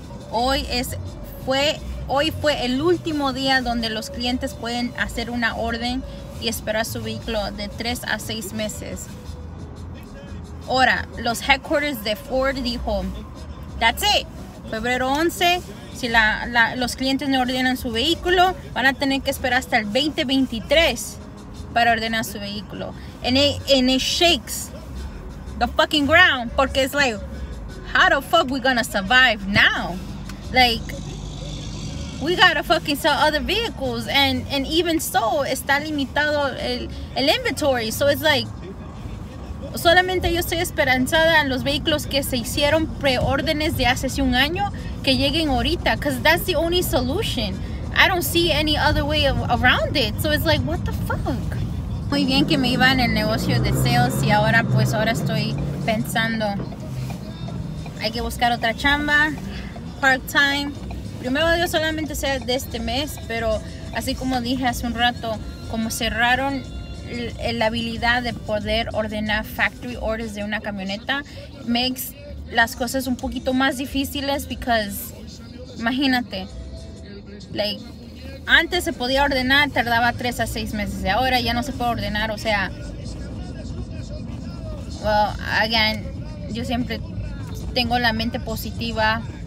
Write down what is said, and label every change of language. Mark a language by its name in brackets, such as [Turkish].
[Spanish] Hoy fue el último día donde los clientes pueden hacer una orden y esperar su vehículo de 3 a 6 meses. Ahora, los headquarters de Ford dijo, [English] that's it. [Spanish] Febrero 11, si los clientes no ordenan su vehículo, van a tener que esperar hasta el 2023 para ordenar su vehículo. [English] And it shakes the fucking ground, [Spanish] porque [English] it's like, how the fuck we gonna survive now? Like, we gotta fucking sell other vehicles. [Spanish] And even so, está limitado el inventory. [English] So it's like, [Spanish] solamente yo estoy esperanzada en los vehículos que se hicieron preórdenes de hace un año que lleguen ahorita, [English] because that's the only solution. I don't see any other way around it. So it's like, what the fuck? [Spanish] Muy bien que me iba en el negocio de sales y ahora estoy pensando, hay que buscar otra chamba, part-time. Primero yo solamente sea de este mes, pero así como dije hace un rato, como cerraron la habilidad de poder ordenar factory orders de una camioneta, [English] makes [Spanish] las cosas un poquito más difíciles, [English] because [Spanish] imagínate, [English] like, [Spanish] antes se podía ordenar, tardaba 3 a 6 meses, ahora ya no se puede ordenar, o sea, [English] well, again, [Spanish] yo siempre tengo la mente positiva.